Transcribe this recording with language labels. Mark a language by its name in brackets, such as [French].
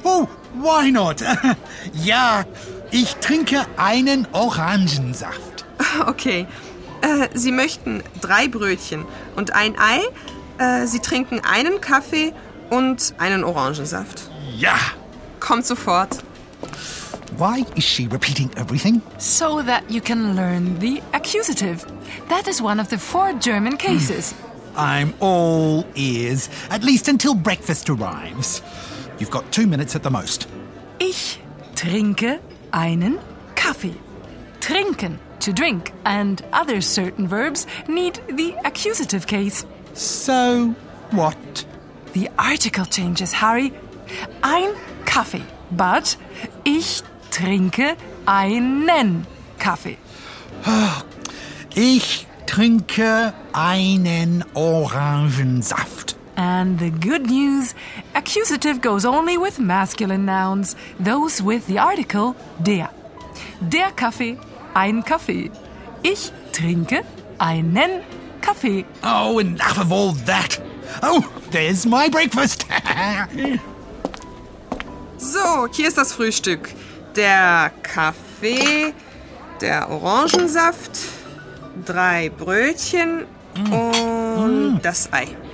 [English] Oh, why not? [German] Ja, ich trinke einen Orangensaft. [English] Okay. [German] Sie möchten drei Brötchen und ein Ei. Sie trinken einen Kaffee und einen Orangensaft. Ja. Kommt sofort. [English] Why is she repeating everything? So that you can learn the accusative. That is one of the four German cases. I'm all ears, at least until breakfast arrives. You've got 2 minutes at the most. [German] Ich trinke einen Kaffee. [English] Trinken, to drink, and other certain verbs need the accusative case. So what? The article changes, Harry. [German] Ein Kaffee, but ich trinke einen Kaffee. Ich trinke einen Orangensaft. [English] And the good news, accusative goes only with masculine nouns, those with the article der. [German] Der Kaffee, ein Kaffee. Ich trinke einen Kaffee. [English] Oh, enough of all that. Oh, there's my breakfast. [German] So, hier ist das Frühstück. Der Kaffee, der Orangensaft, drei Brötchen und das Ei.